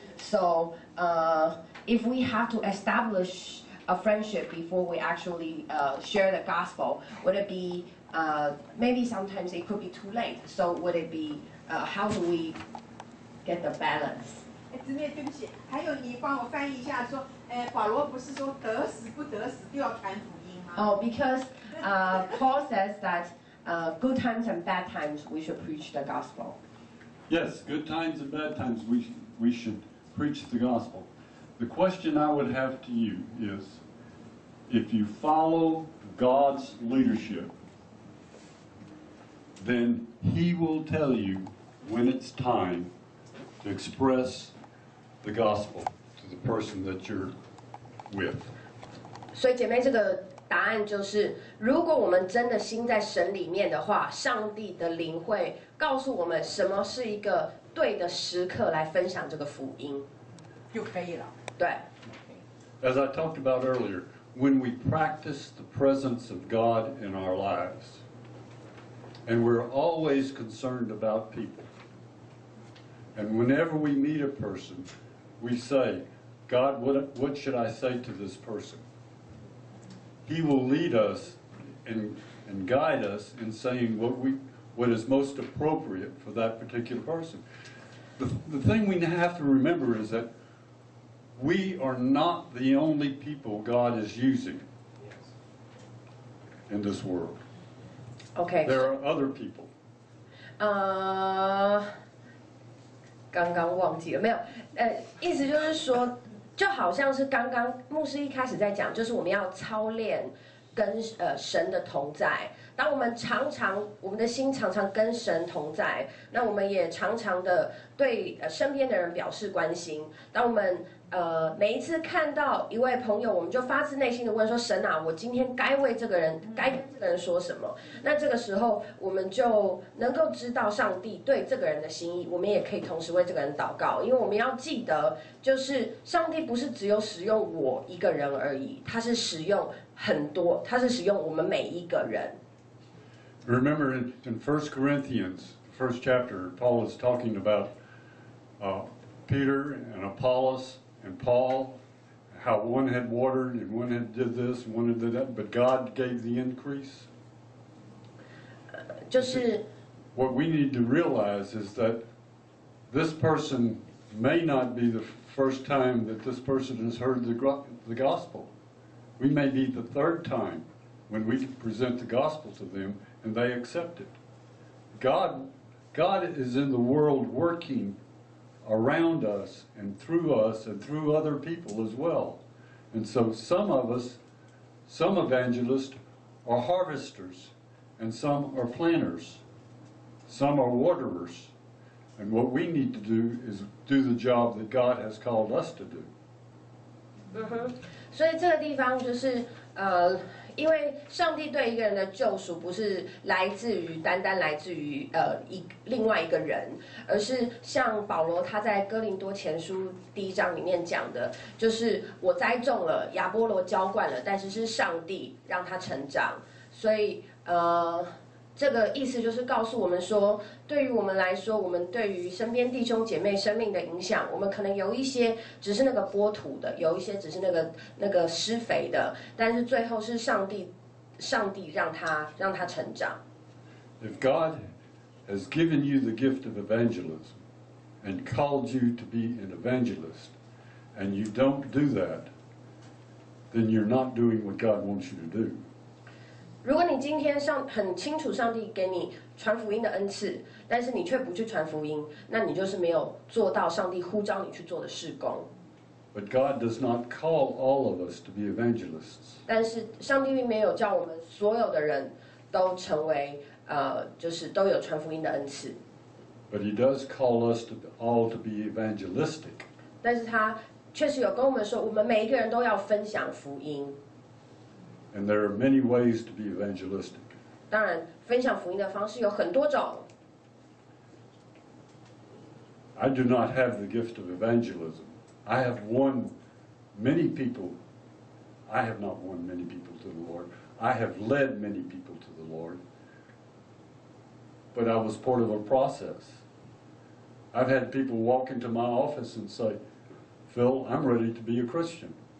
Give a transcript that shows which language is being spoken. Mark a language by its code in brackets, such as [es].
[en] So if we have to establish a friendship before we actually share the gospel, would it be, maybe sometimes it could be too late. So would it be, how do we get the balance? [zh] 姊妹，对不起，还有你帮我翻译一下说，保罗不是说得死不得死都要传福音。 [en] Oh, because Paul says that good times and bad times we should preach the gospel. Yes, good times and bad times we should preach the gospel. The question I would have to you is, if you follow God's leadership, then He will tell you when it's time to express the gospel to the person that you're with. [zh] 所以姐妹，这个答案就是，如果我们真的心在神里面的话，上帝的灵会告诉我们什么是一个对的时刻来分享这个福音，就可以了。对。 [en] As I talked about earlier, when we practice the presence of God in our lives, and we're always concerned about people, and whenever we meet a person, we say, God, what should I say to this person? He will lead us and guide us in saying what we, what is most appropriate for that particular person. The thing we have to remember is that we are not the only people God is using in this world. Okay. There are other people. [zh] 刚刚忘记了，没有，意思就是说，就好像是刚刚牧师一开始在讲，就是我们要操练跟神的同在。当我们常常我们的心常常跟神同在，那我们也常常的对身边的人表示关心。当我们每一次看到一位朋友，我们就发自内心的问说：“神啊，我今天该为这个人，该跟这个人说什么？” 那这个时候，我们就能够知道上帝对这个人的心意。我们也可以同时为这个人祷告，因为我们要记得，就是上帝不是只有使用我一个人而已，他是使用很多，他是使用我们每一个人。 [en] Remember in 1 Corinthians, first chapter, Paul is talking about Peter and Apollos. And Paul, how one had watered and one had did this and one had did that, but God gave the increase. [zh] 就是 [en] What we need to realize is that this person may not be the first time that this person has heard the gospel. We may be the third time when we present the gospel to them and they accept it. God is in the world working. Around us and through other people as well. And so some of us, some evangelists are harvesters and some are planters, some are waterers. And what we need to do is do the job that God has called us to do. So this place is. [zh] 因为上帝对一个人的救赎不是来自于单单来自于另外一个人，而是像保罗他在哥林多前书第一章里面讲的，就是我栽种了，亚波罗浇灌了，但是是上帝让他成长。所以这个意思就是告诉我们说，对于我们来说，我们对于身边弟兄姐妹生命的影响，我们可能有一些只是那个播土的，有一些只是那个施肥的，但是最后是上帝让他成长。 [en] If God has given you the gift of evangelism and called you to be an evangelist, and you don't do that, then you're not doing what God wants you to do. [zh] 如果你今天很清楚上帝给你传福音的恩赐，但是你却不去传福音，那你就是没有做到上帝呼召你去做的事工。 [en] But God does not call all of us to be evangelists. [zh] 但是上帝并没有叫我们所有的人都成为就是都有传福音的恩赐。 [en] But He does call us to all to be evangelistic. [zh] 但是他确实有跟我们说，我们每一个人都要分享福音。 [en] And there are many ways to be evangelistic. [zh] 当然，分享福音的方式有很多种。 [en] I do not have the gift of evangelism. I have won many people. I have not won many people to the Lord. I have led many people to the Lord. But I was part of a process. I've had people walk into my office and say, Phil, I'm ready to be a Christian.